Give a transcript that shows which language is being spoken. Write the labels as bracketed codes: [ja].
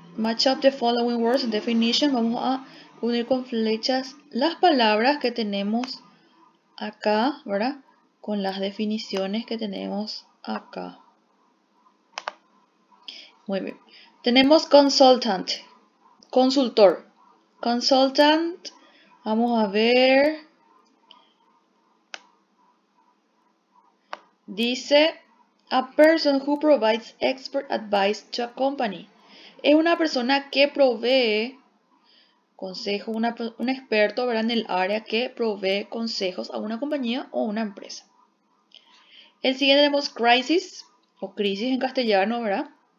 [en] Match up the following words and definition. [es] Vamos a unir con flechas las palabras que tenemos acá, ¿verdad? Con las definiciones que tenemos acá. Muy bien. Tenemos consultant. Consultor. Consultant. Vamos a ver. Dice: [en] a person who provides expert advice to a company. [es] Es una persona que provee consejo, un experto, ¿verdad?, en el área que provee consejos a una compañía o una empresa. El siguiente tenemos crisis o crisis en castellano, ¿verdad?